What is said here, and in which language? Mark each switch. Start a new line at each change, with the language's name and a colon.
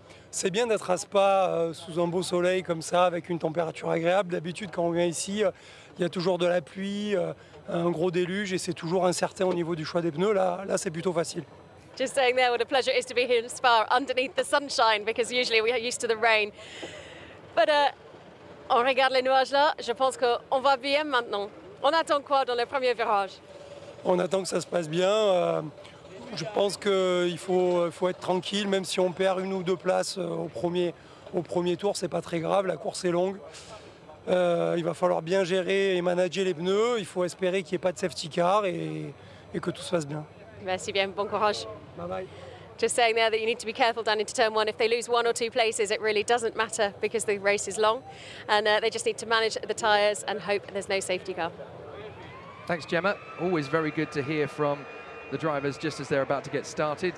French: C'est bien d'être à Spa sous un beau soleil comme ça, avec une température agréable. D'habitude, quand on vient ici, il y a toujours de la pluie, un gros déluge, et c'est toujours incertain au niveau du choix des pneus. Là c'est plutôt facile.
English: Just saying there what a pleasure it is to be here in Spa underneath the sunshine, because usually we are used to the rain.
French: But on regarde les nuages là, je pense qu'on va bien maintenant. On attend quoi dans le premier virage? On attend que ça se passe bien. Je pense qu'il faut être tranquille, même si on perd une ou deux places au premier tour, c'est pas très grave, la course est longue. Il va falloir bien gérer et manager les pneus. Il faut espérer qu'il n'y ait pas de safety car et que tout se passe bien. Merci bien, bon courage. Bye-bye.
English: Just saying there that you need to be careful down into turn one. If they lose one or two places, it really doesn't matter because the race is long. And they just need to manage the tyres and hope there's no safety car. Thanks, Gemma. Always very good to hear from the drivers just as they're about to get started.